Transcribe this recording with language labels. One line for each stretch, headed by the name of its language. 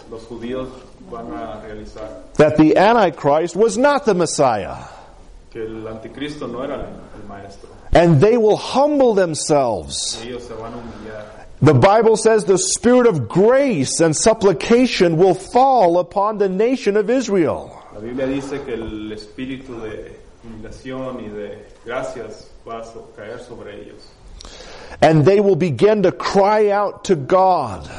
Spanish: los judíos van a realizar
English: that the Antichrist was not the Messiah.
Spanish: Que el anticristo no era el maestro.
English: And they will humble themselves.
Spanish: Ellos se van a humillar.
English: The Bible says the spirit of grace and supplication will fall upon the nation of Israel.
Spanish: La Biblia dice que el espíritu de humillación y de gracias va a caer sobre ellos.
English: And they will begin to cry out to God.